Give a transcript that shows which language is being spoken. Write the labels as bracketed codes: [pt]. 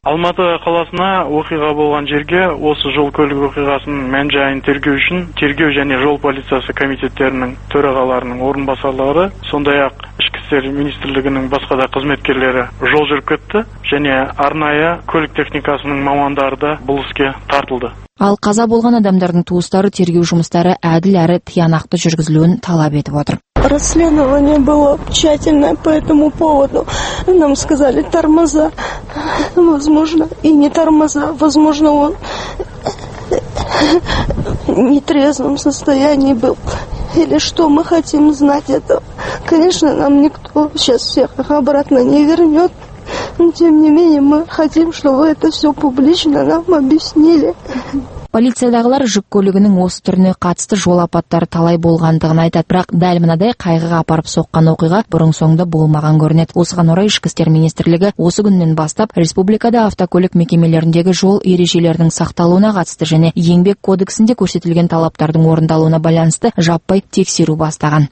[kk] Алматы қаласына оқиға болған жерге осы жол көлігі оқиғасының мән-жайын тергеу үшін тергеу және жол полициясы комитеттерінің төрағаларының орынбасарлары сондай-ақ Ішкі істер министрлігінің басқа да қызметкерлері жол жүріп кетті және арнайы көлік техникасының мамандары да бұл іске тартылды. Ал қаза болған адамдардың туыстары тергеу жұмыстары әділ әрі тиянақты жүргізілуін талап етіп отыр. [ru] Расследование было тщательное по этому поводу. Нам сказали тормоза, возможно, и не тормоза, возможно, он нетрезвом состоянии был. Или что мы хотим знать это? Конечно, нам никто сейчас всех их обратно не вернет. Но тем не менее мы хотим, чтобы это все публично нам объяснили. [kk] Полициядағылар жүк көлігінің осы түріне қатысты жол апаттары талай болғандығын айтады, бірақ дәл мынадай қайғыға апарып соққан оқиға бұрын-соңды болмаған көрінеді. Осыған орай Ішкі істер министрлігі осы күннен бастап республикада автокөлік мекемелеріндегі жол ережелерінің сақталуына қатысты және еңбек кодексінде көрсетілген талаптардың орындалуына байланысты жаппай тексеру бастаған.